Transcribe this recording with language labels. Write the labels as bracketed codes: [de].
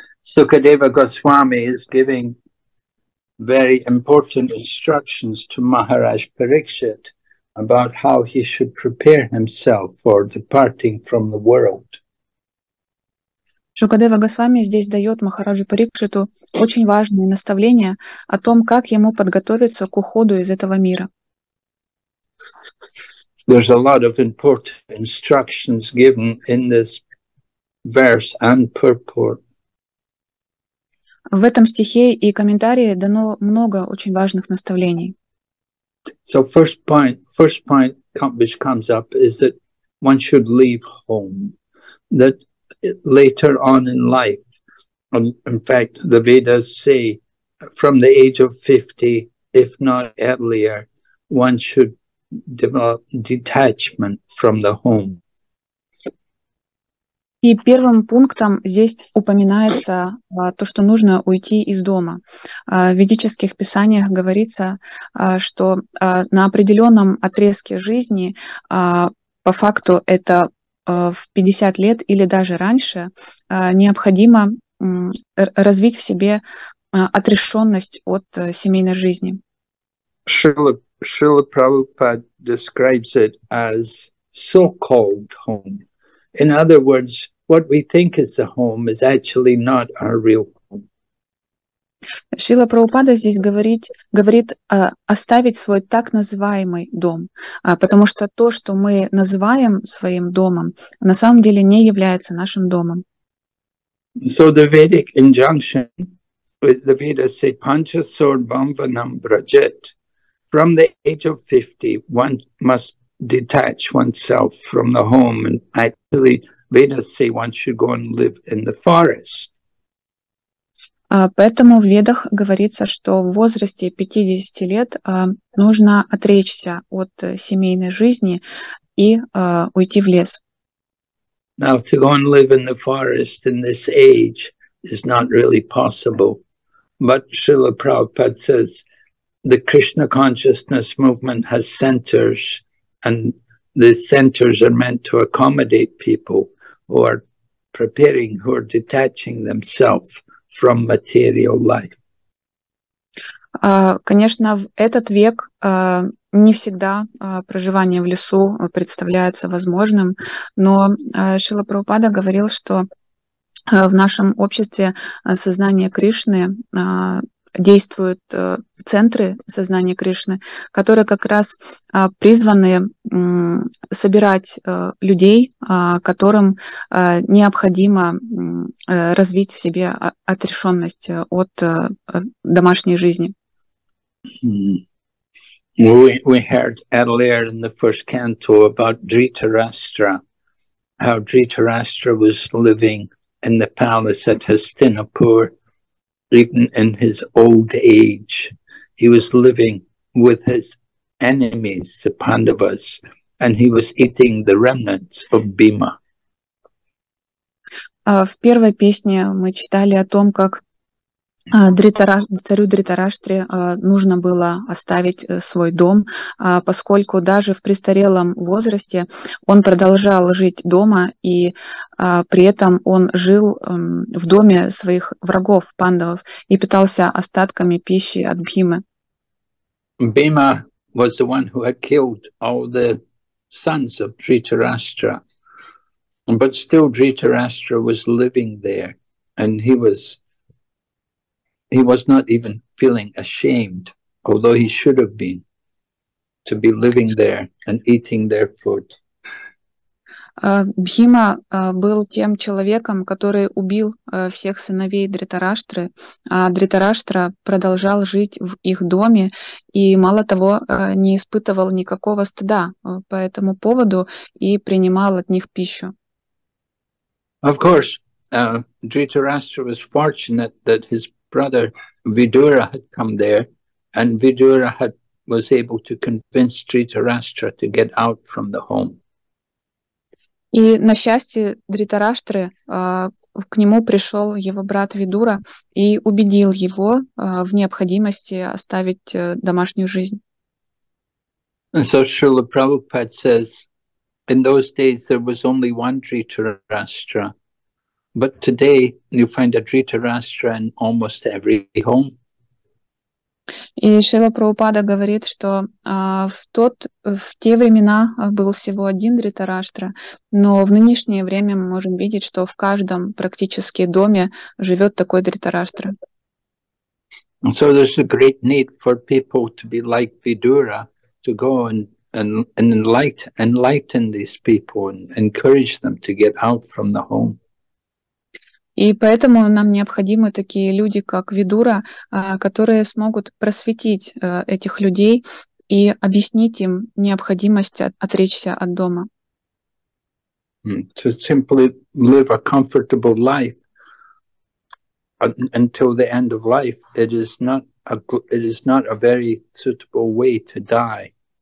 [en] Sukadeva Goswami is giving very important instructions to Maharaj Parikshit about how he should prepare himself for departing from the world. [ru] Шукадева Госвами здесь дает Махараджу Парикшиту очень важные наставления о том, как ему подготовиться к уходу из этого мира. [en] There's a lot of important instructions given in this verse and purport. [ru] В этом стихе и комментарии дано много очень важных наставлений. [en] So first point which comes up is that one should leave home, that later on in life, in fact, the Vedas say from the age of 50, if not earlier, one should develop detachment from the home. [ru] И первым пунктом здесь упоминается то, что нужно уйти из дома. В ведических писаниях говорится, что на определенном отрезке жизни, по факту это в 50 лет или даже раньше, необходимо развить в себе отрешенность от семейной жизни. [en] Шрила Srila Prabhupada describes it as so-called home. In other words, what we think is a home is actually not our real home. [ru] Шрила Прабхупада здесь говорит оставить свой так называемый дом, потому что то, что мы называем своим домом, на самом деле не является нашим домом. [en] So the Vedic injunction, the Vedas say, [sa] Panchasur Bhambanam Brajit, [en] from the age of 50, one must detach oneself from the home, and actually, Vedas say one should go and live in the forest. [ru] Поэтому в Ведах говорится, что в возрасте 50 лет нужно отречься от семейной жизни и уйти в лес. [en] Now, to go and live in the forest in this age is not really possible. But Srila Prabhupada says the Krishna consciousness movement has centers, and the centers are meant to accommodate people who are preparing, who are detaching themselves from material life. [ru] Конечно, в этот век не всегда проживание в лесу представляется возможным, но Шрила Прабхупада говорил, что в нашем обществе сознание Кришны действуют центры сознания Кришны, которые как раз призваны собирать людей, которым необходимо развить в себе отрешенность от домашней жизни. [en] We heard earlier in the first canto about Dhritarashtra, how Dhritarashtra was living in the palace at Hastinapur. Even in his old age, he was living with his enemies, the Pandavas, and he was eating the remnants of Bhima. [ru] В первой песне мы читали о том, как царю Дритараштре нужно было оставить свой дом, поскольку даже в престарелом возрасте он продолжал жить дома, и при этом он жил в доме своих врагов, пандавов, и питался остатками пищи от Бхимы. [en] Bhima was the one who had killed all the sons of Dhritarashtra, but still Dhritarashtra was living there, and he was not even feeling ashamed, although he should have been, to be living there and eating their food. [ru] Бхима был тем человеком, который убил всех сыновей Дритараштры. Дритараштра продолжал жить в их доме и, мало того, не испытывал никакого стыда по этому поводу и принимал от них пищу. [en] Of course, Dhritarashtra was fortunate that his brother Vidura had come there, and Vidura was able to convince Dhritarashtra to get out from the home. [ru] И на счастье Дритараштры к нему пришел его брат Видура и убедил его в необходимости оставить домашнюю жизнь. [en] And so Srila Prabhupada says, in those days there was only one Dhritarashtra. But today you find a Dhritarashtra in almost every home. [ru] И Шрила Прабхупада говорит, что в те времена был всего один Дритараштра, но в нынешнее время мы можем видеть, что в каждом практически доме живет такой Дритараштра. [en] So there's a great need for people to be like Vidura, to go and enlighten these people and encourage them to get out from the home. [ru] И поэтому нам необходимы такие люди, как Видура, которые смогут просветить этих людей и объяснить им необходимость отречься от дома. [en] To simply live a comfortable life until the end of life, it is not a very suitable way to die.